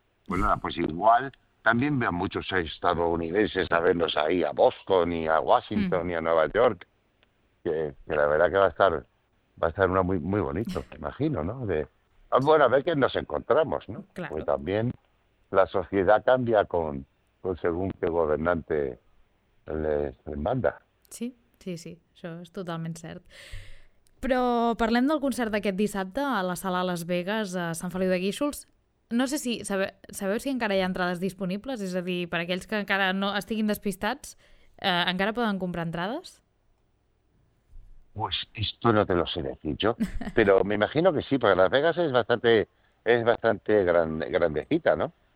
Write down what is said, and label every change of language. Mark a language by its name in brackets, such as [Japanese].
[Spanish] Pues nada, pues igual, también vean muchos estadounidenses a vernos ahí, a Boston, y a Washington, y a Nueva York, que la verdad que va a estar una muy, muy bonito, me imagino, ¿no? A ver qué nos encontramos, ¿no? Claro. Pues también la sociedad cambia con según qué gobernante les manda. [Catalan] Sí, sí, sí, això és totalment cert. Però parlem del concert d'aquest dissabte a la sala Las Vegas, a Sant Feliu de Guíxols. No sé si sabeu si encara hi ha entrades disponibles, és a dir, per aquells que encara no estiguin despistats, encara poden comprar entrades? [Spanish] Pues esto no te lo sé decir yo, pero me imagino que sí, porque Las Vegas es bastante grandecita, ¿no?